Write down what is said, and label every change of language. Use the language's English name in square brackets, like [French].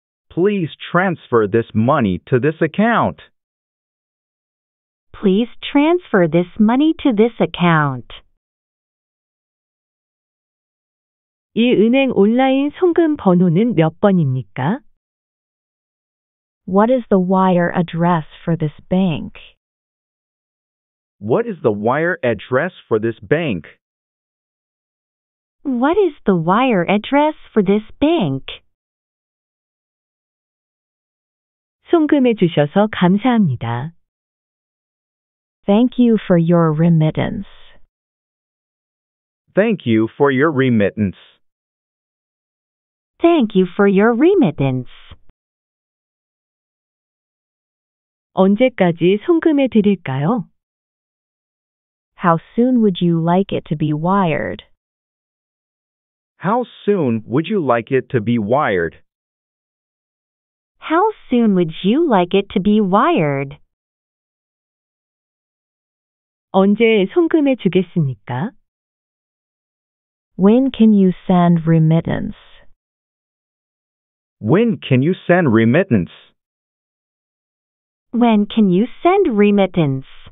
[English] Please transfer this money to this account. Please transfer this money to this account. [Korean] 이 은행 온라인 송금 번호는 몇 번입니까? [English] What is the wire address for this bank? What is the wire address for this bank? What is the wire address for this bank? [Korean] 송금해 주셔서 감사합니다. [English] Thank you for your remittance. Thank you for your remittance. Thank you for your remittance. [Korean] 언제까지 송금해 드릴까요? [English] How soon would you like it to be wired? How soon would you like it to be wired? How soon would you like it to be wired? [Korean] 언제 송금해 주겠습니까? [English] When can you send remittance? When can you send remittance? When can you send remittance?